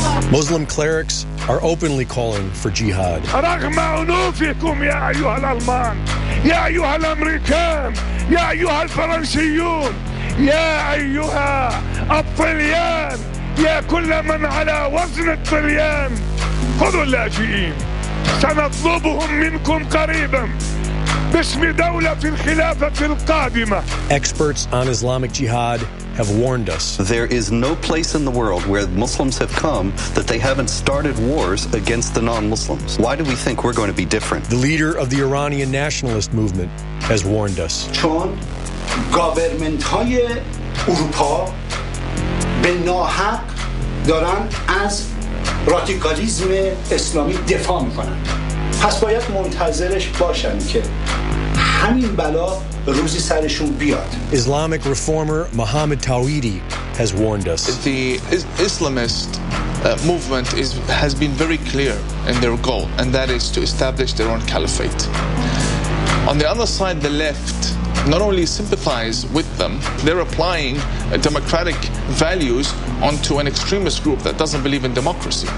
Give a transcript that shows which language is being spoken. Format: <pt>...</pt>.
<en>Muslim clerics are openly calling for jihad. Experts on Islamic jihad have warned us. There is no place in the world where Muslims have come that they haven't started wars against the non-Muslims. Why do we think we're going to be different? The leader of the Iranian nationalist movement has warned us.</en> <fa>چون گاورمنت های اروپا به ناحق دارن از رادیکالیسم اسلامی دفاع میکنن. پس باید منتظرش باشن که همین بلا روزی سرشون بیاد.</fa> <en>Islamic reformer Mohammad Tawhidi has warned us. The Islamist movement has been very clear in their goal, and that is to establish their own caliphate. On the other side, the left not only sympathize with them, they're applying democratic values onto an extremist group that doesn't believe in democracy.</en>